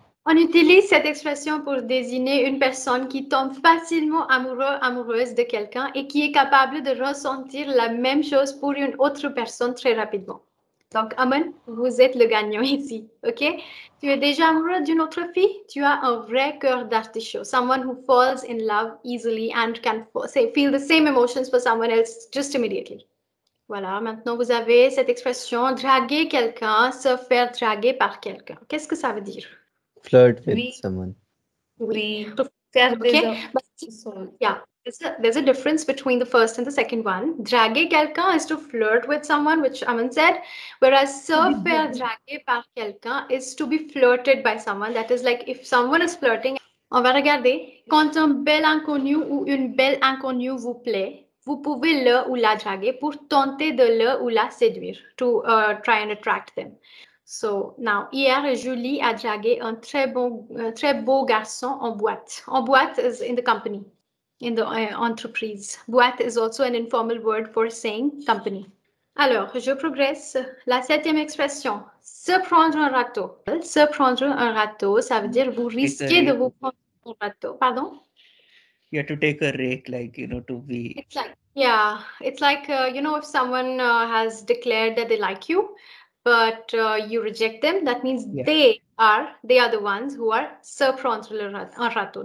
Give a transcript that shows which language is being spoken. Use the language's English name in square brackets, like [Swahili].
[French] On utilise cette expression pour désigner une personne qui tombe facilement amoureuse de quelqu'un et qui est capable de ressentir la même chose pour une autre personne très rapidement. Donc, Amon, vous êtes le gagnant ici, ok? Tu es déjà amoureux d'une autre fille? Tu as un vrai cœur d'artichaut. [English] Someone who falls in love easily and can feel the same emotions for someone else just immediately. [French] Voilà, maintenant vous avez cette expression draguer quelqu'un, se faire draguer par quelqu'un. Qu'est-ce que ça veut dire? [English] Flirt with someone. [French] Oui, faire des [English] okay. Yeah. There's a difference between the first and the second one. Draguer quelqu'un is to flirt with someone, which Aman said. Whereas se faire draguer par quelqu'un is to be flirted by someone. That is like if someone is flirting. [French] On va regarder. Quand un bel inconnu ou une belle inconnue vous plaît, vous pouvez le ou la draguer pour tenter de le ou la séduire, [English] to try and attract them. So now, [French] hier, Julie a dragué un très beau garçon en boîte. [English] En boîte is in the company. In the entreprise. Boîte is also an informal word for saying company. [French] Alors, je progresse. La septième expression, se prendre un râteau. Se prendre un râteau, ça veut dire vous risquez de vous prendre un râteau. Pardon? [English] You have to take a rake, like, you know, to be... It's like, if someone has declared that they like you, but you reject them, that means they are the ones who are se prendre un râteau.